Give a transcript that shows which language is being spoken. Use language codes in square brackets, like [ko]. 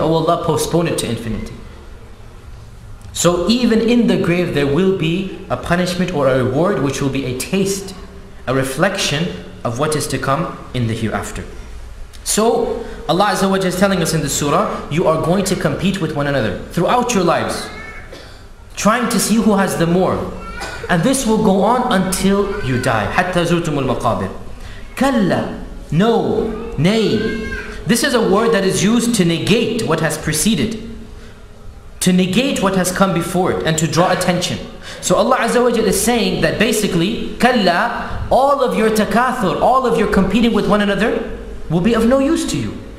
[en] Oh Allah, postpone it to infinity. So even in the grave there will be a punishment or a reward, which will be a taste, a reflection of what is to come in the hereafter. So Allah Azza wa Jalla is telling us in the surah, you are going to compete with one another throughout your lives, trying to see who has the more. And this will go on until you die. [ar] حَتَّى زُرْتُمُ الْمَقَابِرِ كَلَّا [en] No, nay. This is a word that is used to negate what has preceded, to negate what has come before it, and to draw attention. So Allah Azza wa Jalla is saying that basically, كَلَّا All of your takathur, all of your competing with one another, will be of no use to you.